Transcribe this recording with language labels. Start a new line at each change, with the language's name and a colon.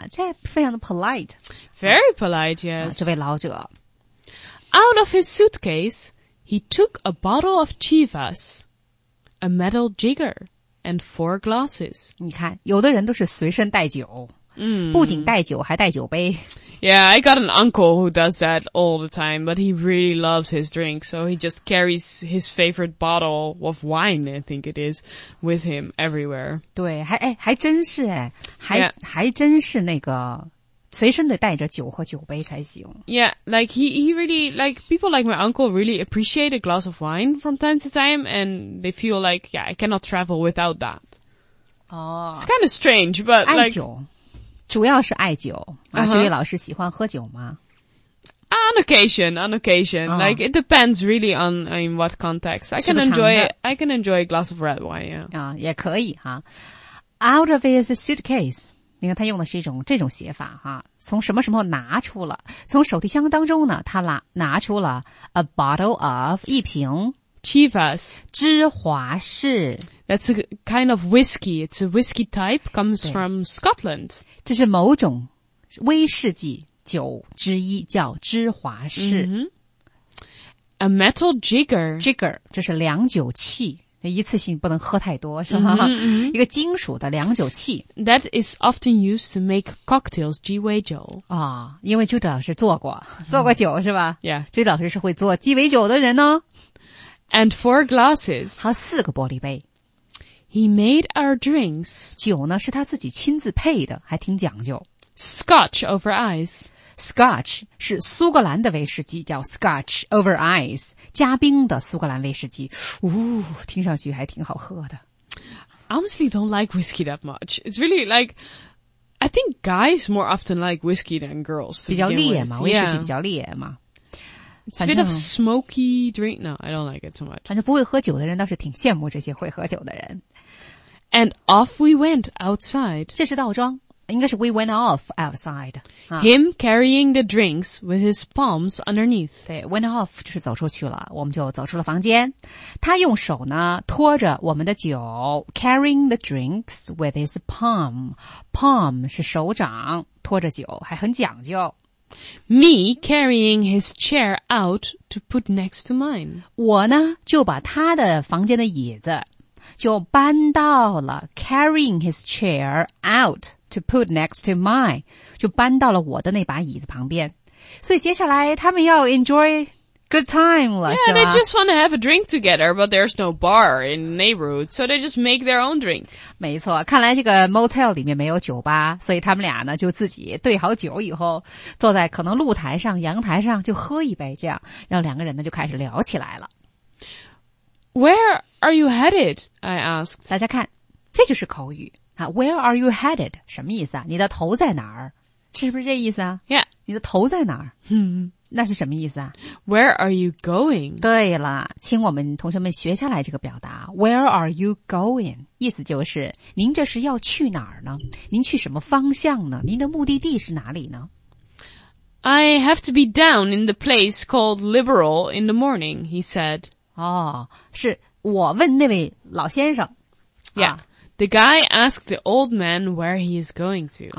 Chinese: 啊，这非常的 polite
English: Very polite, yes、
Chinese: 啊、这位老者
English: Out of his suitcase, he took a bottle of Chivas A metal jigger and four glasses
Chinese: 你看有的人都是随身带酒、 mm-hmm. 不仅带酒还带酒杯
English: Yeah, I got an uncle who does that all the time But he really loves his drink So he just carries his favorite bottle of wine I think it is With him everywhere
Chinese: 对 还真是那个随身得带着酒和酒杯才行
English: Yeah, like he really like People like my uncle really appreciate a glass of wine From time to time And they feel like Yeah, I cannot travel without that、 oh, It's kind of strange But
Chinese: 爱酒
English: like
Chinese: 主要是爱酒、啊 uh-huh. 所以老师喜欢喝酒吗
English: On occasion、uh-huh. Like it depends really on in what context I can enjoy a glass of red wine yeah.、
Chinese: 也可以哈
English: Out of his suitcase
Chinese: 你看他用的是一种这种写法哈从什么时候拿出了从手提箱当中呢他拿出了
English: A bottle of
Chinese: 一瓶
English: Chivas
Chinese: 芝华士
English: That's a kind of whiskey It's a whiskey type Comes from Scotland
Chinese: 这是某种威士忌酒之一叫芝华士、
English: mm-hmm. A metal jigger
Chinese: 这是量酒器一次性不能喝太多是吧、 mm-hmm. 一个金属的量酒器
English: That is often used to make cocktails
Chinese: 鸡尾酒、啊、因为朱迪老师做过酒、mm-hmm. 是吧
English: Yeah
Chinese: 朱迪老师是会做鸡尾酒的人哦
English: And four glasses
Chinese: 和四个玻璃杯
English: He made our drinks.
Chinese: 酒呢是他自己亲自配的，还挺讲究。
English: Scotch over ice.
Chinese: Scotch 是苏格兰的威士忌，叫
English: Scotch over ice，
Chinese: 加冰的苏格兰威士忌。呜、哦，听上去还挺好喝的。
English: Honestly, don't like whiskey that much. It's really like, I think guys more often like whiskey than girls.
Chinese: 比较烈嘛、
English: yeah.
Chinese: 威士忌比较烈嘛。
English: It's a bit of smoky drink. No, I don't like it too much.
Chinese: 反正不会喝酒的人倒是挺羡慕这些会喝酒的人。
English: And off we went outside.
Chinese: 这是倒装，应该是
English: we went off outside.、
Chinese: 啊、
English: him carrying the drinks with his palms underneath.
Chinese: 对 ，went off 就是走出去了，我们就走出了房间。他用手呢托着我们的酒 ，
English: carrying the drinks with his palm.
Chinese: Palm 是手掌，托着酒还很讲究。
English: Me carrying his chair out to put next to mine.
Chinese: 我呢就把他的房间的椅子就搬到了
English: carrying his chair out to put next to mine.
Chinese: 就搬到了我的那把椅子旁边。所以接下来他们要
English: enjoy good time
Chinese: 了
English: Yeah, they just want to have a drink together, but there's no bar in the neighborhood, so they just make their own drink.
Chinese: 没错，看来这个 motel 里面没有酒吧，所以他们俩呢就自己兑好酒以后，坐在可能露台上、阳台上就喝一杯，这样让两个人呢就开始聊起来了。
English: Where are you headed? I asked.
Chinese: 大家看，这就是口语啊。
English: Where are you headed?
Chinese: 什么意思啊？你的头在哪儿？是不是这意思啊
English: ？Yeah.
Chinese: 你的头在哪儿？嗯。那是什么意思啊
English: ？Where are you going？
Chinese: 对了，请我们同学们学下来这个表达 ，
English: Where are you going？
Chinese: 意思就是您这是要去哪儿呢？您去什么方向呢？您的目的地是哪里呢
English: ？I have to be down in the place called Liberal in the morning, he said.
Chinese: 哦，是我问那位老先生。
English: Yeah. The guy asked the old man where he is going to.